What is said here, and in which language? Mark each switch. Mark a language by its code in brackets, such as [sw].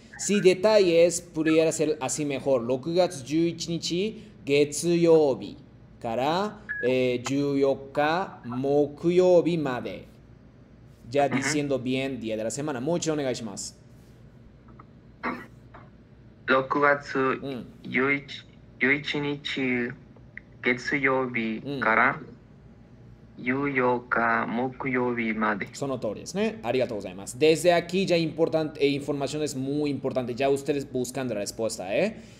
[es] Si detalles, pudiera ser así mejor. [ja] 6月11日月曜日から14日木曜日まで。 [es] Ya diciendo bien día de la semana. [ja] Mucho onegai shimasu. 6月11日月曜日から14日木曜日まで。 [es] Son autores, ¿no? [ja] Arigato gozaimasu. [es] Desde aquí ya importante, información es muy importante. Ya ustedes buscando la respuesta, ¿eh?